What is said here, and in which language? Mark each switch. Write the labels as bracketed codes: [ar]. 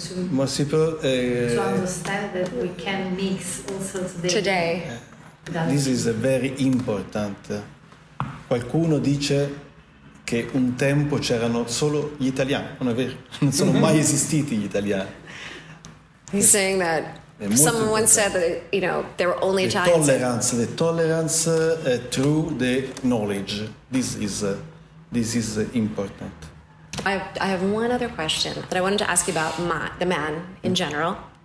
[en] More simple to understand that we can mix also today. This is very important. [it] Qualcuno dice che un tempo c'erano solo gli italiani. Non è vero, non sono mai esistiti gli italiani. [en] He's saying that. Someone once said that, you know, there were only Italians. The tolerance through the knowledge. This is important. I have one other question that I wanted to ask you about the man in general.